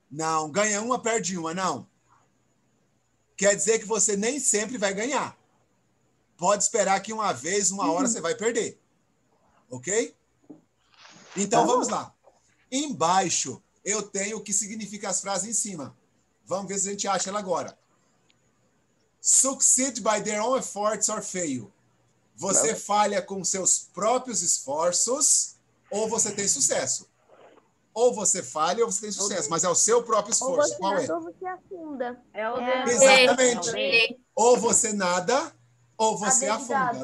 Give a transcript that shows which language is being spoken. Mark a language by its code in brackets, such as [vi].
[pt] Não, ganha uma, perde uma, não. Quer dizer que você nem sempre vai ganhar. Pode esperar que uma vez, uma hora, você vai perder. Ok? Então, vamos lá. Embaixo, eu tenho o que significa as frases em cima. Vamos ver se a gente acha ela agora. [en] Succeed by their own efforts or fail. [pt] Você falha com seus próprios esforços ou você tem sucesso? ou você falha ou você tem sucesso, mas é o seu próprio esforço. Ou você qual nada é? Ou você afunda. É o exatamente. Ou você nada ou você a afunda.